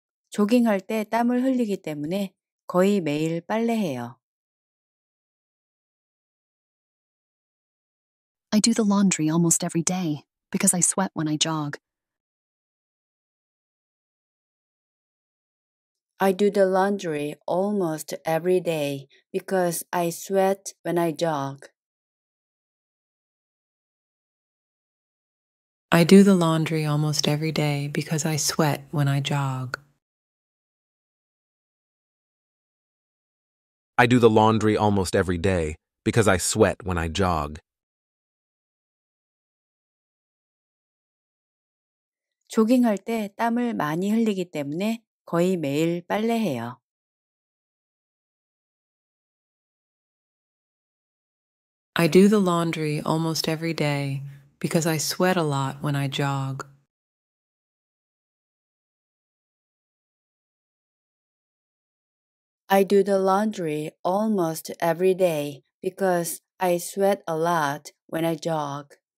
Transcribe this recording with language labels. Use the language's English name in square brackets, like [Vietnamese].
[Korean] 조깅할 때 땀을 흘리기 때문에 거의 매일 빨래해요. [English] I do the laundry almost every day because I sweat when I jog. I do the laundry almost every day because I sweat when I jog. I do the laundry almost every day because I sweat when I jog. I do the laundry almost every day because I sweat when I jog. [Korean] 조깅할 때 땀을 많이 흘리기 때문에 거의 매일 빨래해요. [English] I do the laundry almost every day because I sweat a lot when I jog. I do the laundry almost every day because I sweat a lot when I jog.